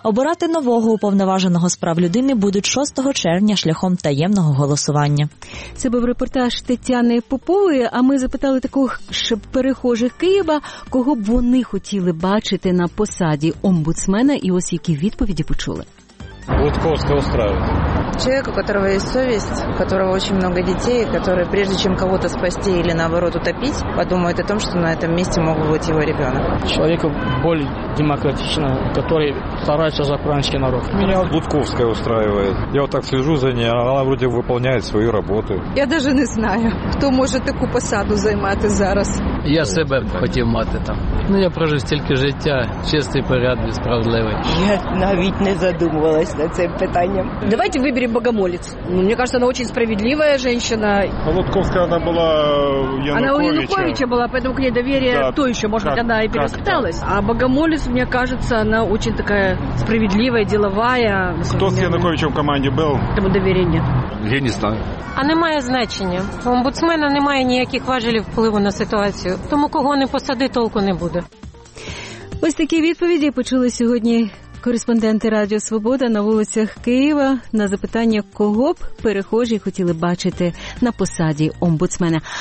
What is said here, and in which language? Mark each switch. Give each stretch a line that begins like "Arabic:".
Ukrainian: Обирати нового уповноваженого з прав людини будуть 6 червня шляхом таємного голосування. Це був репортаж Тетяни Попової, а ми запитали таких перехожих Києва, кого б вони хотіли бачити на посаді омбудсмена, і ось які відповіді почули.
Russian: Лутковська устраивает. Человек, у которого есть совесть, у которого очень много детей, который, прежде чем кого-то спасти или, наоборот, утопить, подумает о том, что на этом месте мог быть его ребенок. Человек более демократичный, который старается за украинский народ. Меня Лутковская устраивает. Я вот так слежу за ней, она вроде выполняет свою работу. Я даже не знаю, кто может такую
Ukrainian: посаду займать зараз.
Russian: Я себе хотел мати там.
Ukrainian: Ну, я прожив стільки життя, чистий, порядний, справедливий. Я навіть не задумувалась над цим питанням.
Russian: Давайте виберем Богомолец. Ну, мне кажется, она очень справедливая женщина. А Лутковская, она была у Януковича. Она у Януковича была, поэтому к ней доверие то еще, может быть, она и перевоспиталась. А Богомолец, мне кажется, она очень такая справедливая, деловая. Кто с Януковичем в команде был? Тому доверия нет. Я не знаю.
Ukrainian: А немає значення. У омбудсмена немає ніяких важелів впливу на ситуацію. Тому кого не посади, толку не буде. Ось такі відповіді почули сьогодні кореспонденти Радіо Свобода на вулицях Києва на запитання, кого б перехожі хотіли бачити на посаді омбудсмена.